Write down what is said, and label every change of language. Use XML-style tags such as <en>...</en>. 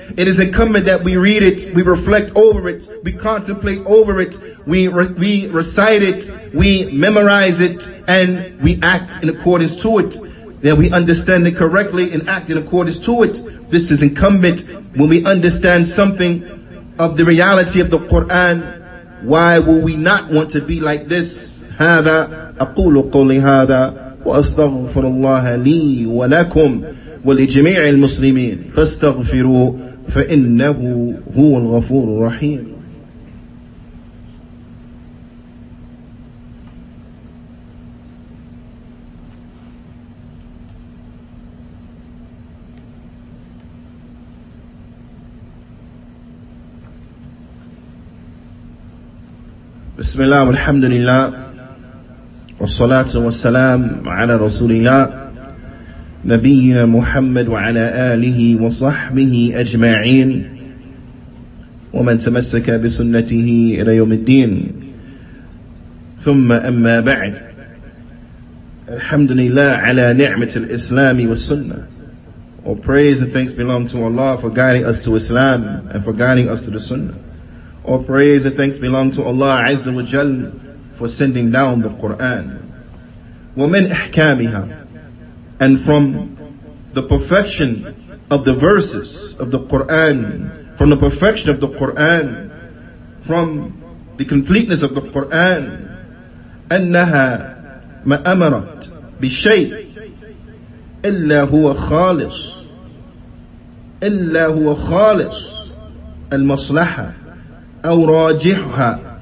<en>It is incumbent that we read it, we reflect over it, we contemplate over it, we recite it, we memorize it, and we act in accordance to it. That we understand it correctly and act in accordance to it. This is incumbent when we understand something of the reality of the Quran. Why will we not want to be like this?</en> <ar>هذا أقول قولي هذا وأستغفر الله لي ولكم ولجميع المسلمين فاستغفروا فإنه هو الغفور الرحيم. بسم الله والحمد لله والصلاة والسلام على رسول الله نبينا محمد وعلى آله وصحبه أجمعين ومن تمسك بسنته إلى يوم الدين ثم أما بعد الحمد لله على نعمة الإسلام والسنة.</ar> <en>All praise and thanks belong to Allah for guiding us to Islam and for guiding us to the Sunnah. All praise and thanks belong to Allah Azza wa Jal for sending down the Quran.</en> <ar>وَمِنْ إِحْكَامِهَا,</ar> <en>and from the perfection of the verses of the Quran, from the perfection of the Quran, from the completeness of the Quran,</en> <ar>أَنَّهَا مَا أَمَرَتْ بِشَيْءٍ إِلَّا هُوَ خَالِصٍ إِلَّا هُوَ خَالِصٍ الْمَصْلَحَةً أو راجحها.</ar>